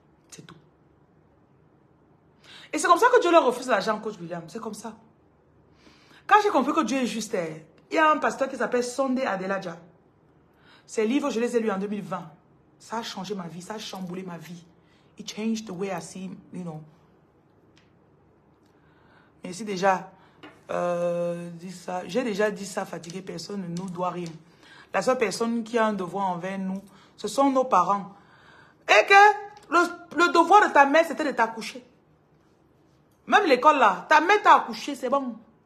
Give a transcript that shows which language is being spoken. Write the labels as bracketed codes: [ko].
[fr] C'est tout. Et c'est comme ça que Dieu leur refuse l'argent, coach William. C'est comme ça. Quand j'ai compris que Dieu est juste, il y a un pasteur qui s'appelle Sunday Adelaja. Ses livres, je les ai lus en 2020. Ça a changé ma vie, ça a chamboulé ma vie. [en] It changed the way I see, you know. [fr] Mais si déjà, j'ai déjà dit ça, fatigué, personne ne nous doit rien. La seule personne qui a un devoir envers nous, ce sont nos parents. Et que le devoir de ta mère, c'était de t'accoucher. Même l'école là, ta mère t'a accouché, c'est bon.